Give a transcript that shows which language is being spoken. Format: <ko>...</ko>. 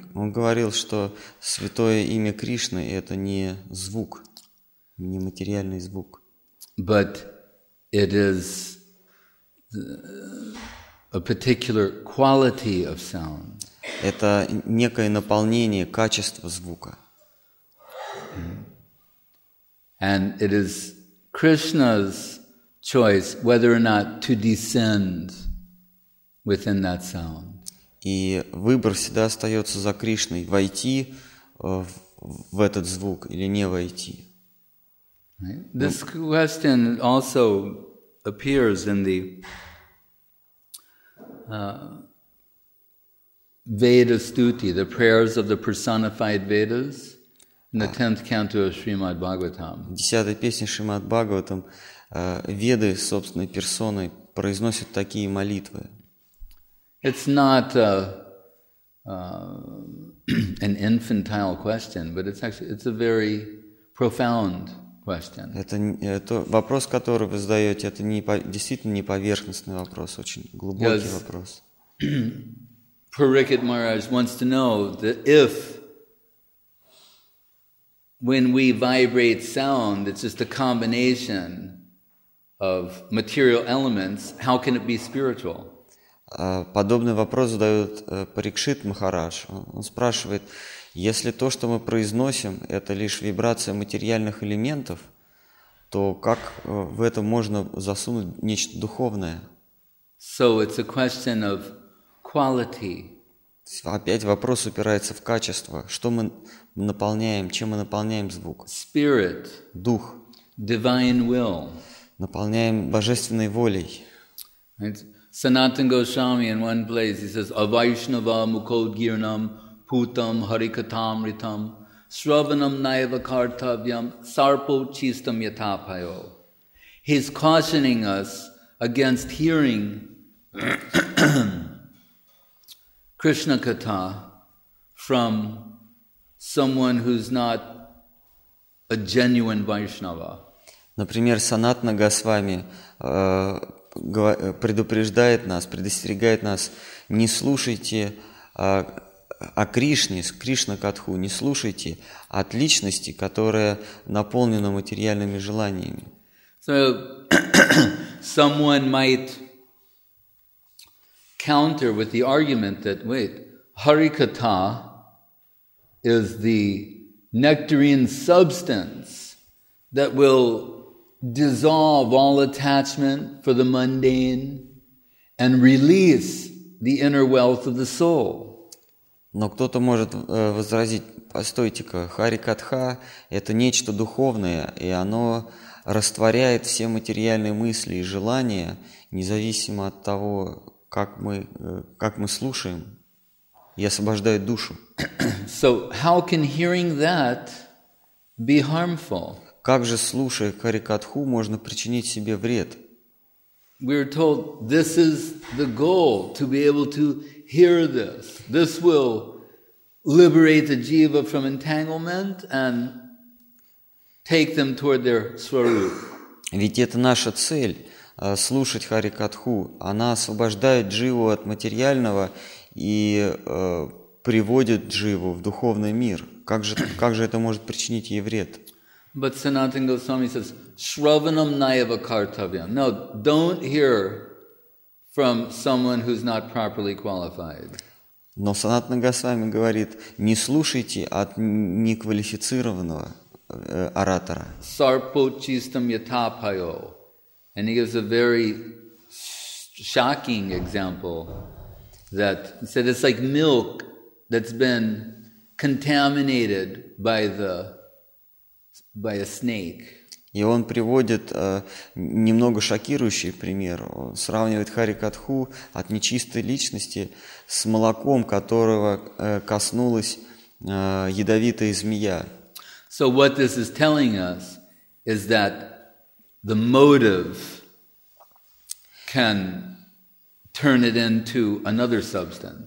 <ru>Он говорил, что святое имя Кришны — это не звук, не материальный звук.</ru> <en>But it is a particular quality of sound.</en> <ru>Это некое наполнение, качество звука.</ru> <en>And it is Krishna's choice whether or not to descend within that sound.</en> <ru>И выбор всегда остается за Кришной, войти в этот звук или не войти.</ru> <en>This question also appears in the Veda Stuti, the prayers of the personified Vedas, in the 10th canto of Srimad Bhagavatam.</en> <ru>Десятая песня Шримад Бхагаватам. Веды собственной персоной произносят такие молитвы.</ru> <en>It's not an infantile question, but it's a very profound question.</en> <ru>Это вопрос, который вы задаете, это действительно не поверхностный вопрос, очень глубокий вопрос.</ru> <en>Parikshit Maharaj wants to know that if when we vibrate sound, it's just a combination of material elements, how can it be spiritual?</en> <ru>Подобный вопрос задает Парикшит Махарадж. Он спрашивает, если то, что мы произносим, это лишь вибрация материальных элементов, то как в этом можно засунуть нечто духовное?</ru> <en>So it's a question of quality.</en> <ru>Опять вопрос упирается в качество. Что мы наполняем, чем мы наполняем звук?</ru> <en>Spirit.</en> <ru>Дух.</ru> <en>Divine will.</en> <ru>Наполняем божественной волей.</ru> <sa>Санатан Гошами</sa> <en>in one place, he says,</en> <sa>Авайшнава мукодгирнам путам харикатам ритам сраванам наива картавьям сарпо чистам ятапайо.</sa> <en>He's cautioning us against hearing Krishna Katha from someone who's not a genuine Vaishnava.</en> <ru>Например, Санатана Госвами предупреждает нас, предостерегает нас, не слушайте о Кришне, Кришна-катху, не слушайте от личности, которая наполнена материальными желаниями.</ru> <en>So someone might counter with the argument that, wait, Harikatha is the nectarine substance that will dissolve all attachment for the mundane and release the inner wealth of the soul.</en> <ru>Но кто-то может возразить, постойте-ка, Харикатха – это нечто духовное, и оно растворяет все материальные мысли и желания, независимо от того, как мы слушаем, и освобождает душу.</ru> <en>So how can hearing that be harmful?</en> <ru>Как же, слушая Харикатху, можно причинить себе вред?</ru> <en>We are told this is the goal, to be able to hear this. This will liberate the jiva from entanglement and take them toward their swarup.</en> <ru>Ведь это наша цель, слушать Харикатху. Она освобождает дживу от материального и приводит дживу в духовный мир. Как же это может причинить ей вред?</ru> <en>But Sanatan Goswami says,</en> <sa>Shravanam Nayava Kartavyam.</sa> <en>No, don't hear from someone who's not properly qualified.</en> <ru>Но Санатана Госвами говорит, не слушайте от неквалифицированного оратора.</ru> <sa>Sarpo chistam yatapayo.</sa> <en>And he gives a very shocking example that said it's like milk that's been contaminated by the by a snake.</en> <ru>И он приводит немного шокирующий пример. Он сравнивает Харикатху от нечистой личности с молоком, которого коснулась ядовитая змея.</ru> <en>So what this is telling us is that the motive can turn it into another substance.</en>